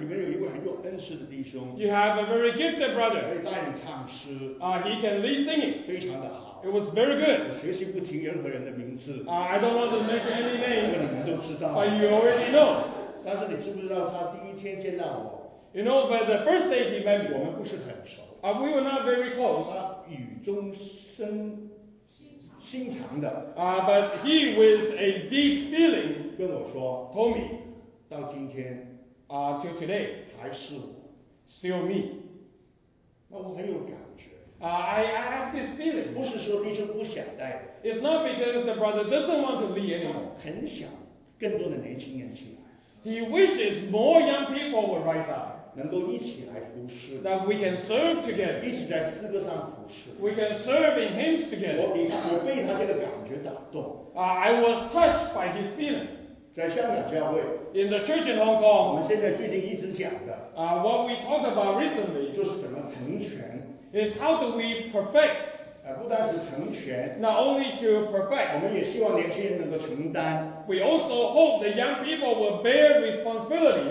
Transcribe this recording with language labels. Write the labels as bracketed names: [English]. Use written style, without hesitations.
[Chinese] 里面有一位很有恩赐的弟兄。 [English] You have a very gifted brother. [Chinese] 可以带你唱诗。 [English] He can lead singing. [Chinese] 非常的好。 [English] It was very good. [Chinese] 我学习不提任何人的名字。 [English] I don't want to mention any name. [Chinese] 这个你们都知道。 [English] But you already know. [Chinese] 但是你知不知道他第一天见到我 [English] ？You know, but the first day he met me. [Chinese] 我们不是很熟。 [English] We were not very close. [Chinese] 他语中深。心肠的 [English] but he with a deep feeling [Chinese] 跟我说 [English] told me [Chinese] 到今天 [English] till today [Chinese] 还是 [English] still me [Chinese] 那我很有感觉 [English] I have this feeling [Chinese] 不是说弟兄不想带 [English] it's not because the brother doesn't want to lead anymore [Chinese] 很想更多的年轻人起来 [English] he wishes more young people would rise up [Chinese] 能够一起来服侍 [English] ，that we can serve together， [Chinese] 一起在诗歌上服侍 [English] ，we can serve in hymns together [Chinese] 我被他这个感觉打动 [English] I was touched by his feeling。 [Chinese] 在香港教会 [English] ，in the church in Hong Kong， [Chinese] 我们现在最近一直讲的 [English] what we talked about recently， [Chinese] 就是怎么成全 [English] ，is how do we perfect， [Chinese] 不单是成全 [English] ，not only to perfect， [Chinese] 我们也希望年轻人能够承担。 [English] We also hope the young people will bear responsibility。